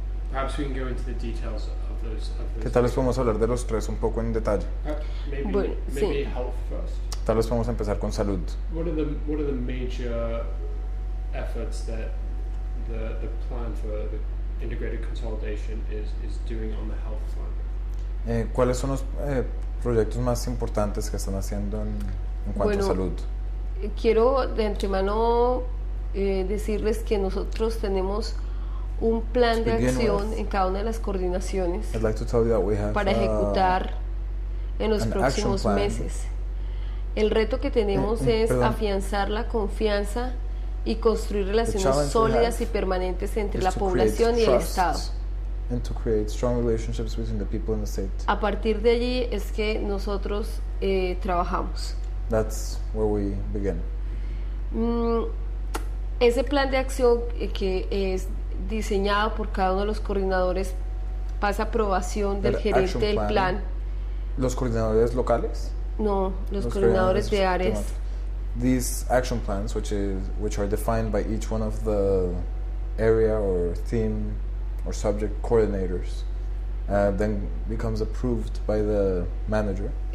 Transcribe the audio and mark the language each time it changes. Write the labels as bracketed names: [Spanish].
[English] Perhaps we can go into the details of those. [Spanish] ¿Qué tal les podemos hablar de los tres un poco en detalle? [English] Maybe health first. [Spanish] Tal vez podemos empezar con salud. [English] What are the major efforts that the plan for the integrated consolidation is doing on the health front? [Spanish] ¿Cuáles son los proyectos más importantes que están haciendo en cuanto bueno, a salud? Quiero de antemano decirles que nosotros tenemos un plan de acción en cada una de las coordinaciones para ejecutar en los próximos meses. El reto que tenemos es afianzar la confianza y construir relaciones sólidas y permanentes entre la población y el Estado. [English] And to create strong relationships between the people in the state. [Spanish] A partir de allí es que nosotros trabajamos. [English] That's where we begin. [Spanish] Ese plan de acción que es diseñado por cada uno de los coordinadores pasa aprobación del gerente del plan. ¿Los coordinadores locales? No, los coordinadores de áreas. [English] These action plans, which are defined by each one of the area or theme or subject coordinators, then becomes approved by the manager.